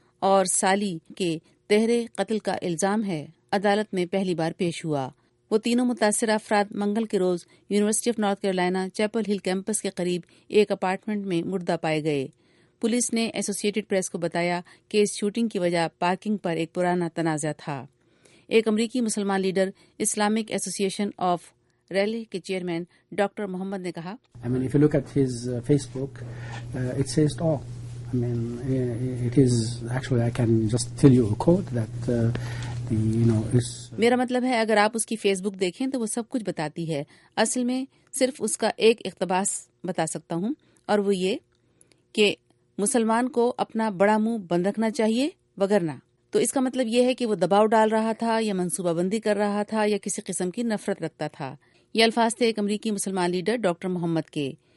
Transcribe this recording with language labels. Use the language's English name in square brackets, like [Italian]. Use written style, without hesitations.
[Urdu] اور سالی کے تہرے قتل کا الزام ہے، عدالت میں پہلی بار پیش ہوا۔ وہ تینوں متاثر افراد منگل کے روز university of north Carolina Chappell ہل کیمپس کے قریب ایک اپارٹمنٹ میں مردہ پائے گئے۔ پولیس نے ایسوسیٹڈ پریس کو بتایا کہ اس شوٹنگ کی وجہ پارکنگ پر ایک پرانا تنازع تھا۔ ایک امریکی مسلمان لیڈر اسلامک ایسوسی ایشن آف ریلی کے چیئرمین ڈاکٹر محمد نے کہا، [English] I mean, if you look at his Facebook, it says it all. I mean, it is actually, I can just tell you a quote that, you know, it's... [Urdu] میرا مطلب ہے اگر آپ اس کی face بک دیکھیں تو وہ سب کچھ بتاتی ہے۔ اصل میں صرف اس کا ایک اقتباس بتا سکتا ہوں اور وہ یہ کہ مسلمان کو اپنا بڑا منہ بند رکھنا چاہیے وگرنہ۔ تو اس کا مطلب یہ ہے کہ وہ دباؤ ڈال رہا تھا یا منصوبہ بندی کر رہا تھا یا کسی قسم کی نفرت رکھتا تھا۔ یہ الفاظ تھے ایک امریکی مسلمان لیڈر ڈاکٹر محمد کے۔